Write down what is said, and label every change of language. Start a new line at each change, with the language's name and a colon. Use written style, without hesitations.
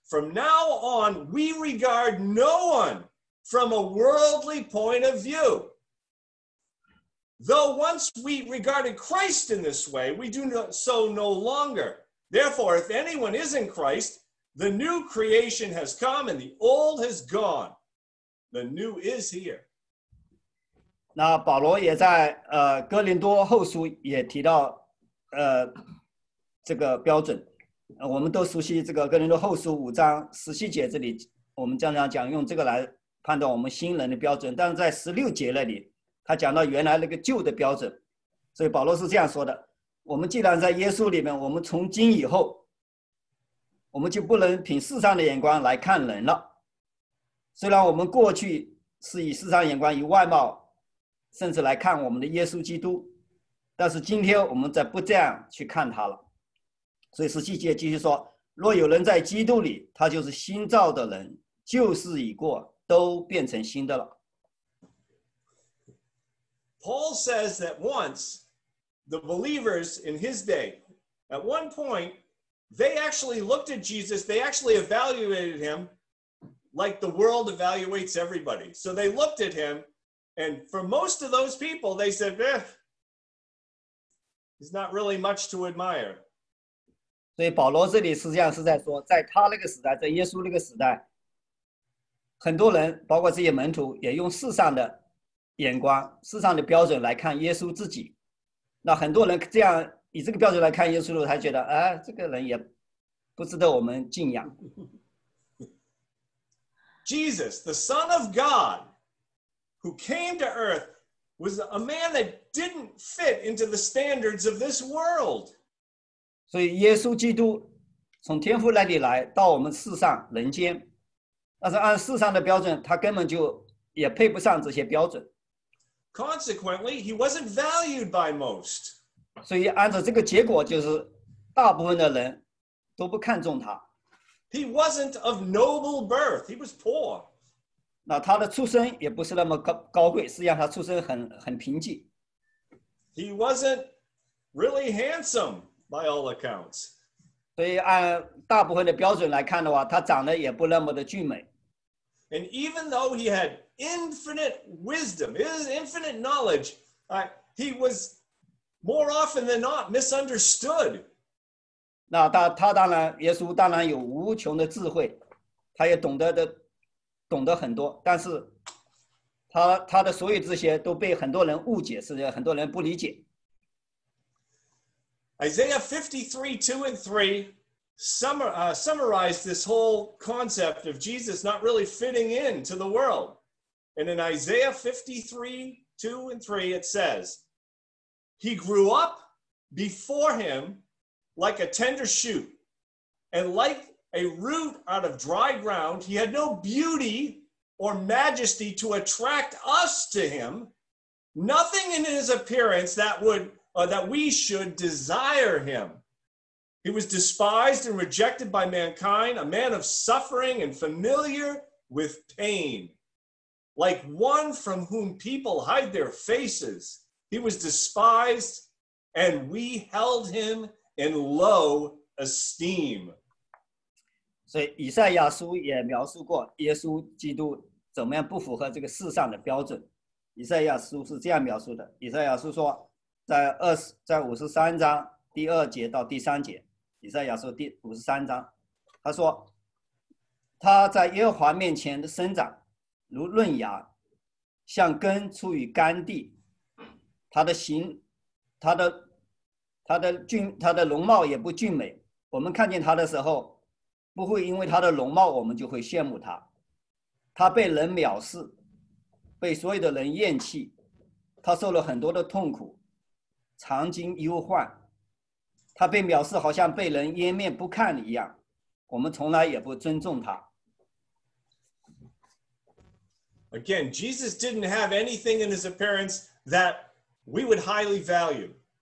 English: From now on, we regard no one from a worldly point of view. Though once we regarded Christ in this way, we do so no longer. Therefore, if anyone is in Christ, the new creation has come and the old has gone. The new is here.
Chinese: 那保罗也在哥林多后书也提到这个标准。我们都熟悉这个哥林多后书五章十七节这里，我们经常讲用这个来判断我们新人的标准。但是在十六节那里，他讲到原来那个旧的标准。所以保罗是这样说的：我们既然在耶稣里面，我们从今以后，我们就不能凭世上的眼光来看人了。虽然我们过去是以世上眼光，以外貌，甚至来看我们的耶稣基督，但是今天我们再不这样去看他了。所以十七节继续说，若有人在基督里，他就是新造的人，旧事已过，都变成新的了。
English: Paul says that once the believers in his day, at one point, they actually looked at Jesus, they actually evaluated him like the world evaluates everybody. So they looked at him, and for most of those people, they said, he's not really much to admire.
Chinese: 所以保罗这里实际上是在说，在他那个时代，在耶稣那个时代，很多人，包括这些门徒，也用世上的眼光，世上的标准来看耶稣自己。那很多人这样以这个标准来看耶稣的时候，他觉得，哎，这个人也不值得我们敬仰。
English: Jesus, the Son of God,who came to earth, was a man that didn't fit into the standards of this world.
Chinese: 所以耶稣基督从天父那里来到我们世上人间，但是按世上的标准，他根本就也配不上这些标准。
English: Consequently, he wasn't valued by most.
Chinese: 所以按照这个结果，就是大部分的人都不看重他。
English: He wasn't of noble birth. He was poor.
Chinese: 那他的出身也不是那么 高贵，实际上他出身 很贫瘠。
English: He wasn't really handsome by all accounts.
Chinese: 所以按大部分的标准来看的话，他长得也不那么的俊美。
English: And even though he had infinite wisdom, infinite knowledge, he was more often than not misunderstood.
Chinese: 那 他当然，耶稣当然有无穷的智慧，他也懂得的懂得很多，但是 他的所有这些都被很多人误解，是很多人不理解。
English: Isaiah 53:2-3 summarized this whole concept of Jesus not really fitting into the world. And in Isaiah 53:2-3 it says, He grew up before him like a tender shoot, and like a root out of dry ground, he had no beautyOr majesty to attract us to him, nothing in his appearance that we should desire him. He was despised and rejected by mankind, a man of suffering and familiar with pain. Like one from whom people hide their faces, he was despised, and we held him in low esteem.
Chinese: So, 以赛亚书也描述过耶稣基督。怎么样不符合这个世上的标准？以赛亚书是这样描述的：以赛亚书说，在五十三章第二节到第三节，以赛亚书第五十三章，他说，他在耶和华面前的生长如嫩芽，像根出于干地，他的容貌也不俊美。我们看见他的时候，不会因为他的容貌我们就会羡慕他。他被人藐视，被所有的人厌弃，他受了很多的痛苦，常经忧患。他被藐视，好像被人掩面不看一样。我们从来也不尊重他。
English: Again, Jesus didn't have anything in his appearance that we would highly value.